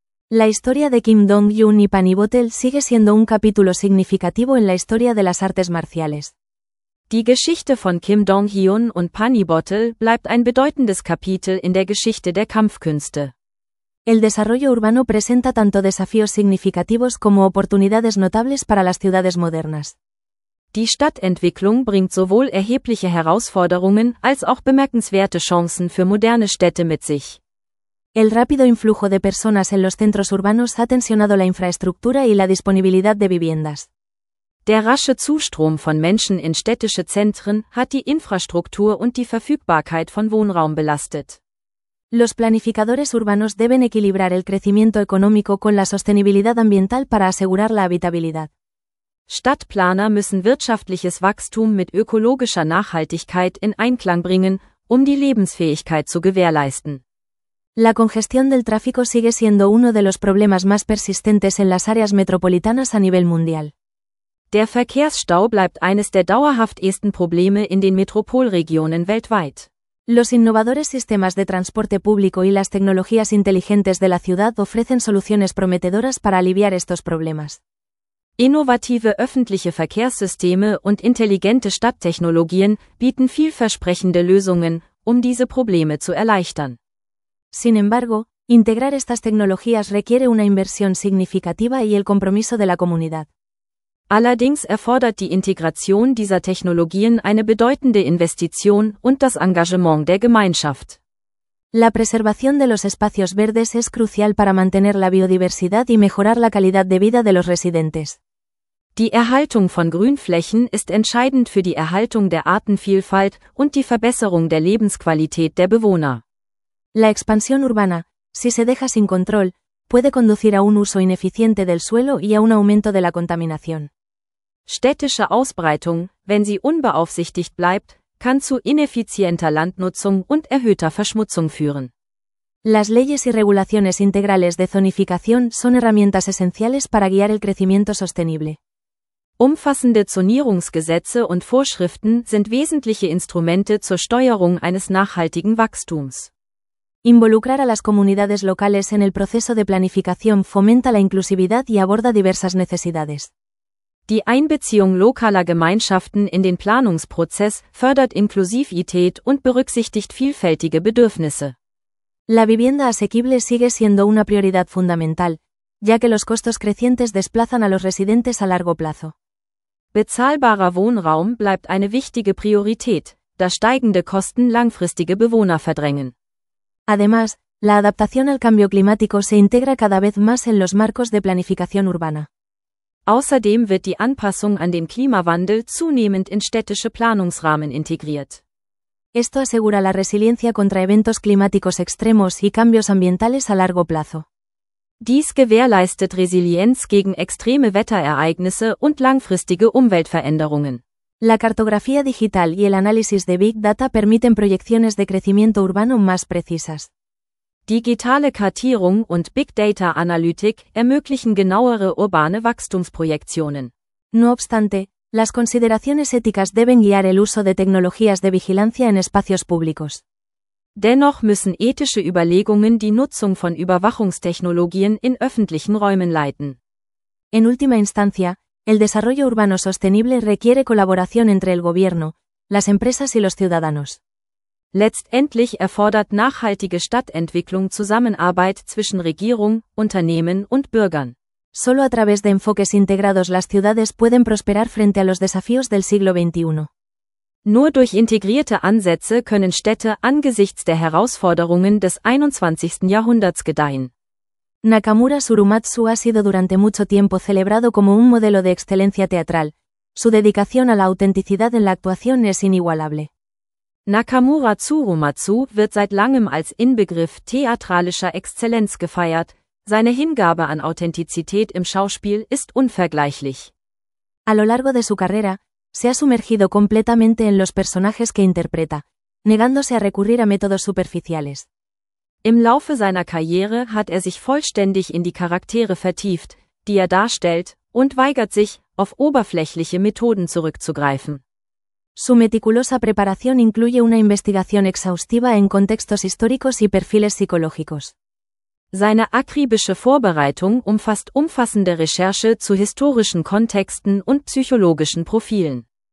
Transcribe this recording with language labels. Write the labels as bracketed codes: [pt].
[es] La historia de Kim Dong-hyun y Pani Botel sigue siendo un capítulo significativo en la historia de las artes marciales. [de] Die Geschichte von Kim Dong-hyun und Pani Botel bleibt ein bedeutendes Kapitel in der Geschichte der Kampfkünste. [es] El desarrollo urbano presenta tanto desafíos significativos como oportunidades notables para las ciudades modernas. [de] Die Stadtentwicklung bringt sowohl erhebliche Herausforderungen als auch bemerkenswerte Chancen für moderne Städte mit sich. [es] El rápido influjo de personas en los centros urbanos ha tensionado la infraestructura y la disponibilidad de viviendas. [de] Der rasche Zustrom von Menschen in städtische Zentren hat die Infrastruktur und die Verfügbarkeit von Wohnraum belastet. [es] Los planificadores urbanos deben equilibrar el crecimiento económico con la sostenibilidad ambiental para asegurar la habitabilidad. [de] Stadtplaner müssen wirtschaftliches Wachstum mit ökologischer Nachhaltigkeit in Einklang bringen, um die Lebensfähigkeit zu gewährleisten. [es] La congestión del tráfico sigue siendo uno de los problemas más persistentes en las áreas metropolitanas a nivel mundial. [de] Der Verkehrsstau bleibt eines der dauerhaftesten Probleme in den Metropolregionen weltweit. [es] Los innovadores sistemas de transporte público y las tecnologías inteligentes de la ciudad ofrecen soluciones prometedoras para aliviar estos problemas. [de] Innovative öffentliche Verkehrssysteme und intelligente Stadttechnologien bieten vielversprechende Lösungen, um diese Probleme zu erleichtern. [es] Sin embargo, integrar estas tecnologías requiere una inversión significativa y el compromiso de la comunidad. [de] Allerdings erfordert die Integration dieser Technologien eine bedeutende Investition und das Engagement der Gemeinschaft. [es] La preservación de los espacios verdes es crucial para mantener la biodiversidad y mejorar la calidad de vida de los residentes. [de] Die Erhaltung von Grünflächen ist entscheidend für die Erhaltung der Artenvielfalt und die Verbesserung der Lebensqualität der Bewohner. [es] La expansión urbana, si se deja sin control, puede conducir a un uso ineficiente del suelo y a un aumento de la contaminación. [de] Städtische Ausbreitung, wenn sie unbeaufsichtigt bleibt, kann zu ineffizienter Landnutzung und erhöhter Verschmutzung führen. [es] Las leyes y regulaciones integrales de zonificación son herramientas esenciales para guiar el crecimiento sostenible. [de] Umfassende Zonierungsgesetze und Vorschriften sind wesentliche Instrumente zur Steuerung eines nachhaltigen Wachstums. [es] Involucrar a las comunidades locales en el proceso de planificación fomenta la inclusividad y aborda diversas necesidades. [de] Die Einbeziehung lokaler Gemeinschaften in den Planungsprozess fördert Inklusivität und berücksichtigt vielfältige Bedürfnisse. [es] La vivienda asequible sigue siendo una prioridad fundamental, ya que los costos crecientes desplazan a los residentes a largo plazo. [de] Bezahlbarer Wohnraum bleibt eine wichtige Priorität, da steigende Kosten langfristige Bewohner verdrängen. [es] Además, la adaptación al cambio climático se integra cada vez más en los marcos de planificación urbana. [de] Außerdem wird die Anpassung an den Klimawandel zunehmend in städtische Planungsrahmen integriert. [es] Esto asegura la resiliencia contra eventos climáticos extremos y cambios ambientales a largo plazo. [de] Dies gewährleistet Resilienz gegen extreme Wetterereignisse und langfristige Umweltveränderungen. [es] La cartografía digital y el análisis de Big Data permiten proyecciones de crecimiento urbano más precisas. [de] Digitale Kartierung und Big Data Analytik ermöglichen genauere urbane Wachstumsprojektionen. [es] No obstante, las consideraciones éticas deben guiar el uso de tecnologías de vigilancia en espacios públicos. [de] Dennoch müssen ethische Überlegungen die Nutzung von Überwachungstechnologien in öffentlichen Räumen leiten. [es] En última instancia, el desarrollo urbano sostenible requiere colaboración entre el gobierno, las empresas y los ciudadanos. [de] Letztendlich erfordert nachhaltige Stadtentwicklung Zusammenarbeit zwischen Regierung, Unternehmen und Bürgern. [es] Solo a través de enfoques integrados las ciudades pueden prosperar frente a los desafíos del siglo XXI. [de] Nur durch integrierte Ansätze können Städte angesichts der Herausforderungen des 21. Jahrhunderts gedeihen. [es] Nakamura Surumatsu ha sido durante mucho tiempo celebrado como un modelo de excelencia teatral. Su dedicación a la autenticidad en la actuación es inigualable. [de] Nakamura Tsurumatsu wird seit langem als Inbegriff theatralischer Exzellenz gefeiert. Seine Hingabe an Authentizität im Schauspiel ist unvergleichlich. [es] A lo largo de su carrera, se ha sumergido completamente en los personajes que interpreta, negándose a recurrir a métodos superficiales. [de] Im Laufe seiner Karriere hat er sich vollständig in die Charaktere vertieft, die er darstellt, und weigert sich, auf oberflächliche Methoden zurückzugreifen. [es] Su meticulosa preparación incluye una investigación exhaustiva en contextos históricos y perfiles psicológicos. [de] Seine akribische Vorbereitung umfasst umfassende Recherche zu historischen Kontexten und psychologischen Profilen.